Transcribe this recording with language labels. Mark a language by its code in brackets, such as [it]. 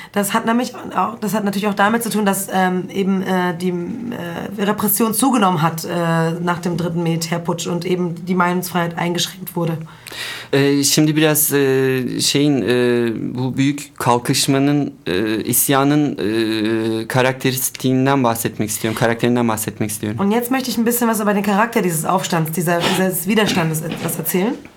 [de] Das hat natürlich auch damit zu tun, dass eben die Repression zugenommen hat nach dem dritten Militärputsch und eben die Meinungsfreiheit eingeschränkt wurde. [tr] Şimdi biraz bu büyük kalkışmanın isyanın karakterinden bahsetmek istiyorum. [de] Und jetzt möchte ich ein bisschen was über den Charakter dieses Aufstands, dieses Widerstandes etwas erzählen.